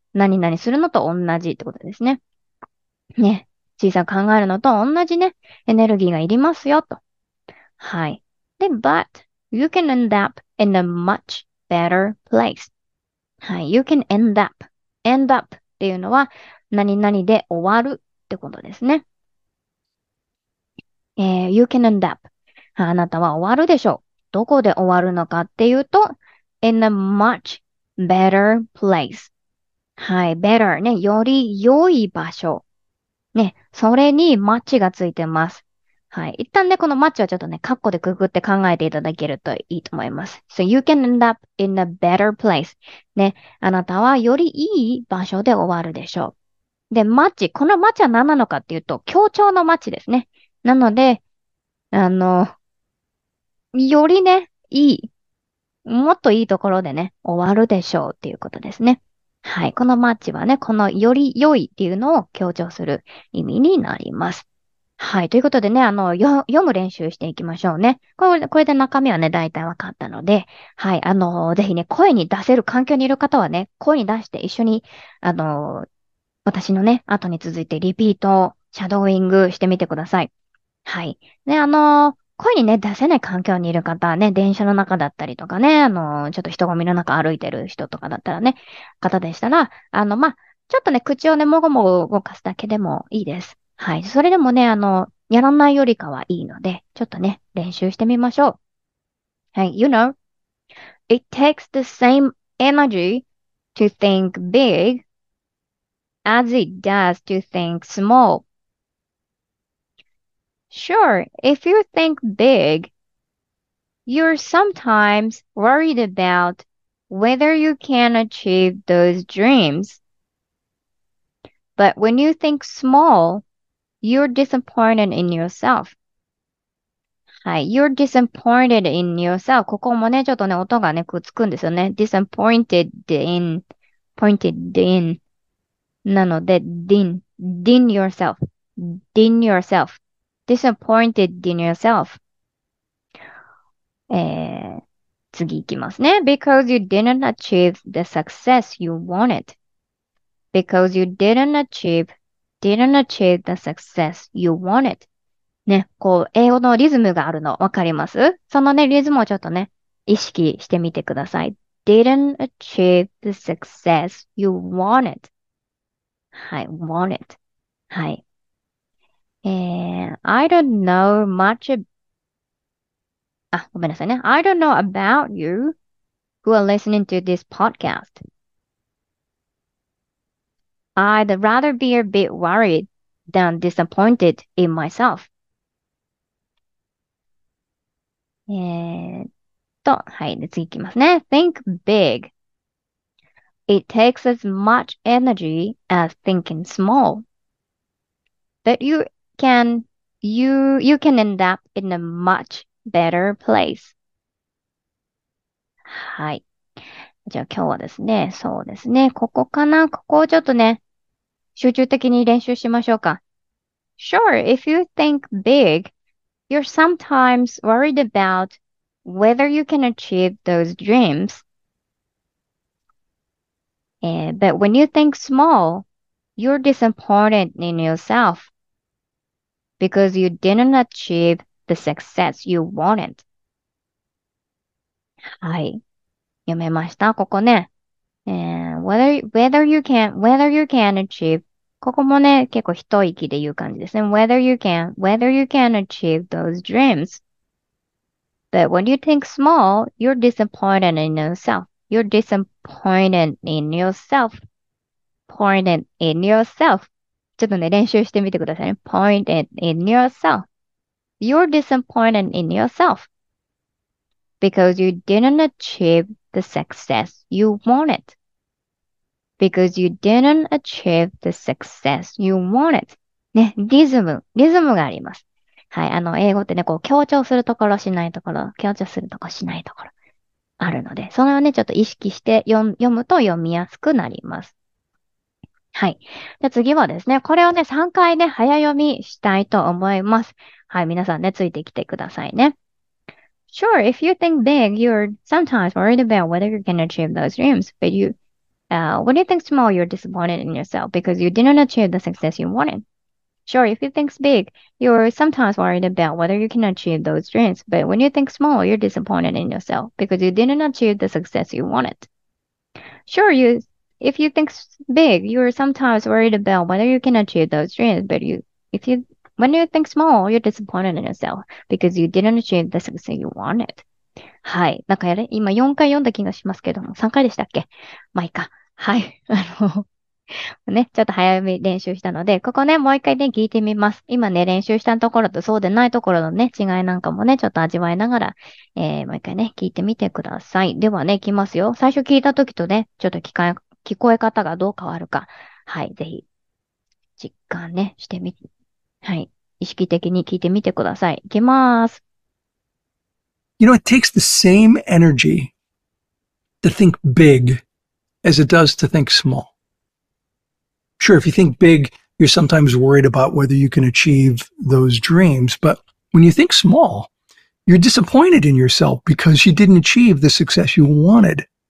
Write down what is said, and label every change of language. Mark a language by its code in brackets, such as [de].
[ja] 何々するのと同じってことですね。ね。小さく考えるのと同じね。エネルギーがいりますよ。と。はい。 [en] で、but you can end up in a much better place. はい。you can end up. end up [ja] っていうのは何々で終わる。ってことですね。 [en] you can end up. [ja] あなたは終わるでしょう。どこで終わるのかっていうと、 [en] in a much better place. [ja] はい、better ね、より良い場所。ね、それに much がついてます。はい、一旦ね、この much はちょっとね、カッコでくくって考えていただけるといいと思います。 [en] So you can end up in a better place. [ja] ね、あなたはより良い場所で終わるでしょう。で、マッチ。このマッチは何なのかっていうと、協調のマッチですね。なので、よりね、いい。もっといいところでね、終わるでしょうっていうことですね。はい。このマッチはね、このより良いっていうのを強調する意味になります。はい。ということでね、読む練習していきましょうね。これで中身はね、大体分かったので、はい。ぜひね、声に出せる環境にいる方はね、声に出して一緒に、私のね、後に続いてリピートをシャドーイングしてみてください。はい。ね、声にね、出せない環境にいる方はね、電車の中だったりとかね、ちょっと人混みの中歩いてる人とかだったらね、方でしたら、まあ、ちょっとね、口をね、もごもご動かすだけでもいいです。はい。それでもね、やらないよりかはいいので、ちょっとね、練習してみましょう。はい。 [en] You know, it takes the same energy to think big. As it does to think small. Sure, if you think big, you're sometimes worried about whether you can achieve those dreams. But when you think small, you're disappointed in yourself. はい、you're disappointed in yourself. [ja] ここもね、ちょっとね、音がね、くっつくんですよね。 [en] Disappointed in, pointed in. [ja] なので、 [en] din yourself, disappointed in yourself. [ja] 次行きますね。 [en] Because you didn't achieve the success you wanted. Because you didn't achieve the success you wanted. [ja] ね、こう、英語のリズムがあるのわかります？そのね、リズムをちょっとね、意識してみてください。 [en] Didn't achieve the success you wanted. はい、want it. はい。 I don't know much [ja] あ、ごめんなさいね。 [en] I don't know about you who are listening to this podcast. I'd rather be a bit worried than disappointed in myself. [ja] はい、で、次行きますね。 [en] Think big. It takes as much energy as thinking small. But you can end up in a much better place. [ja] はい。じゃあ今日はですね、そうですね、ここかな？ここをちょっとね、集中的に練習しましょうか。 [en] Sure, if you think big, you're sometimes worried about whether you can achieve those dreams. But when you think small, you're disappointed in yourself because you didn't achieve the success you wanted. [ja] はい。読めました。ここね。 [en] whether you can achieve, [ja] ここもね、結構一息で言う感じですね。 [en] whether you can achieve those dreams. But when you think small, you're disappointed in yourself. You're disappointed in yourself. Pointed in yourself. [ja] ちょっとね、練習してみてくださいね。 [en] Pointed in yourself. You're disappointed in yourself. Because you didn't achieve the success you wanted. Because you didn't achieve the success you wanted. [ja] ね、リズムがあります。はい、英語ってね、こう、強調するところ、しないところ、強調するところ、しないところ。あるので、それをね、ちょっと意識して読むと読みやすくなります。はい。じゃ次はですね、これをね、3回ね、早読みしたいと思います。はい、皆さんね、ついてきてくださいね。 [en] Sure, if you think big, you're sometimes worried about whether you can achieve those dreams. But you, when you think small, you're disappointed in yourself because you didn't achieve the success you wanted. Sure, if you think big, you're sometimes worried about whether you can achieve those dreams. But when you think small, you're disappointed in yourself because you didn't achieve the success you wanted. Sure, you, if you think big, you're sometimes worried about whether you can achieve those dreams. But you, if you, when you think small, you're disappointed in yourself because you didn't achieve the success you wanted. [ja] はい。なんかやれ、今4回読んだ気がしますけども、3回でしたっけ？まあいいか。はい。ね、ちょっと早めに練習したので、ここね、もう一回ね、聞いてみます。今ね、練習したところとそうでないところのね、違いなんかもね、ちょっと味わいながら、もう一回ね、聞いてみてください。ではね、いきますよ。最初聞いた時とね、ちょっと聞こえ方がどう変わるか。はい、ぜひ、実感ね、してみ、はい、意識的に聞いてみてください。いきまーす。 [en] You know, it takes the same energy to think big as it does to think small. Sure, if you think big, you're sometimes worried about whether you can achieve those dreams. But when you think small, you're disappointed in yourself because you didn't achieve the success you wanted.